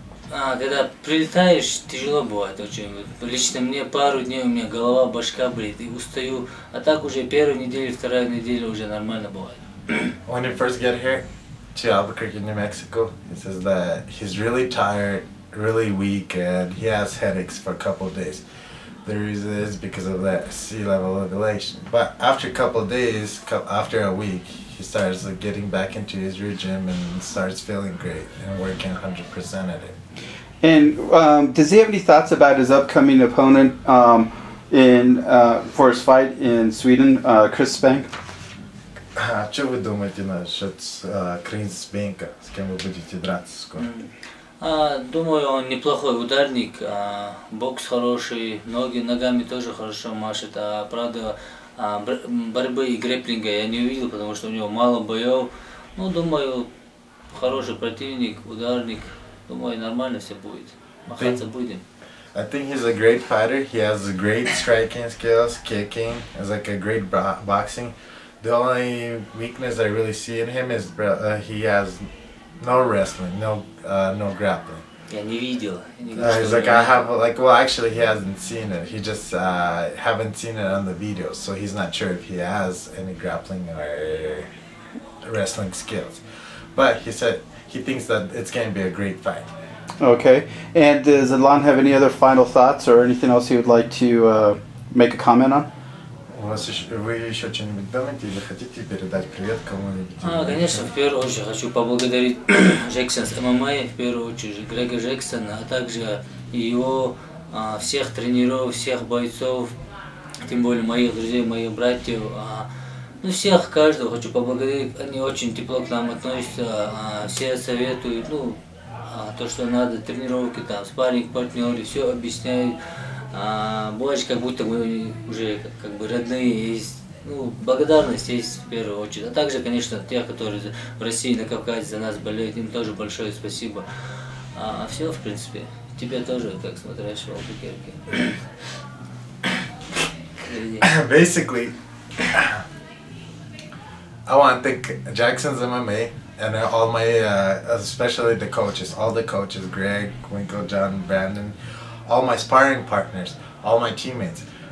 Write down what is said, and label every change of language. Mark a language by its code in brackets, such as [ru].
[ru] А когда прилетаешь, тяжело бывает очень. Лично мне пару дней у меня голова, башка болит и устаю. А так уже первую неделю, вторая неделя уже нормально бывает. [en] When he first get here to Albuquerque, New Mexico, he says that he's really tired, really weak, and he has headaches for a couple of days. the reason is because of that sea level regulation. But after a couple of days, after a week, he starts getting back into his regime and starts feeling great and working 100% at it. And does he have any thoughts about his upcoming opponent for his fight in Sweden, Chris Spang? [ru] Что вы думаете насчет Криса Спенка, с кем вы будете драться скоро? Думаю, он неплохой ударник, бокс хороший, ногами тоже хорошо машет, а правда борьбы и грэпплинга я не увидел, потому что у него мало боев. Ну, думаю, хороший противник, ударник, думаю, нормально все будет, махаться будем. [en] I think he's a great fighter, he has great striking skills, kicking, he's like a great boxing. The only weakness I really see in him is he has no wrestling, no grappling. Yeah, [ru] не видел. [en] He's like, I have, like, well, actually, he hasn't seen it. He just haven't seen it on the video, so he's not sure if he has any grappling or wrestling skills. But he said he thinks that it's going to be a great fight. Okay. And does Adlan have any other final thoughts or anything else he would like to make a comment on? [ru] Вы еще что-нибудь думаете или хотите передать привет кому-нибудь? Конечно, в первую очередь хочу поблагодарить Джексон с ММА, в первую очередь Грега Джексона, а также его, всех тренеров, всех бойцов, тем более моих друзей, моих братьев, ну всех, каждого хочу поблагодарить, они очень тепло к нам относятся, все советуют, ну, то, что надо, тренировки там, спарринг, партнеры, все объясняют. Больше как будто мы уже как бы родные есть, ну, благодарность есть в первую очередь. А также, конечно, те, которые в России, на Кавказе за нас болеют, им тоже большое спасибо. Все, в принципе. Тебе тоже, как смотришь в Албукерке. [en] Basically, I want to thank Jackson's MMA and all my, especially the coaches, all the coaches, Greg, Winkeljohn, Brandon, all my sparring partners, all my teammates.